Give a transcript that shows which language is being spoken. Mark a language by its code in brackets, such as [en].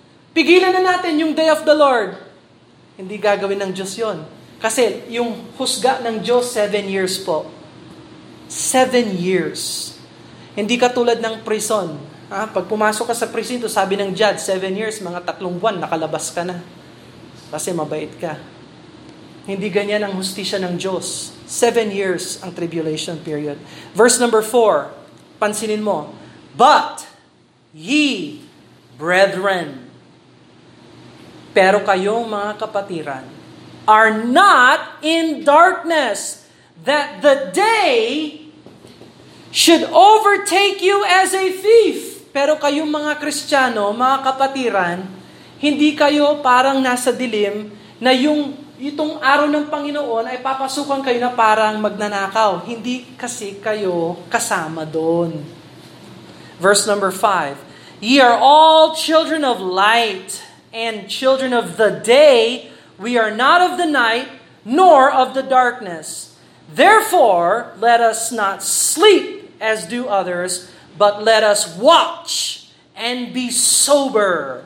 [tl] Pigilan na natin yung day of the Lord. Hindi gagawin ng Diyos yon, kasi yung husga ng Diyos, 7 years po. 7 years. Hindi katulad ng prison. Ha? Pag pumasok ka sa prison, to sabi ng judge, 7 years, mga 3 buwan, nakalabas ka na. Kasi mabait ka. Hindi ganyan ang hustisya ng Diyos. 7 years ang tribulation period. [en] Verse number 4, [tl] pansinin mo, [en] but ye brethren, [tl] pero kayong mga kapatiran, [en] are not in darkness, that the day should overtake you as a thief. [tl] Pero kayong mga Kristiyano, mga kapatiran, hindi kayo parang nasa dilim na yung itong araw ng Panginoon ay papasukan kayo na parang magnanakaw. Hindi kasi kayo kasama doon. [en] Verse number 5, ye are all children of light and children of the day. We are not of the night nor of the darkness. Therefore, let us not sleep as do others, but let us watch and be sober.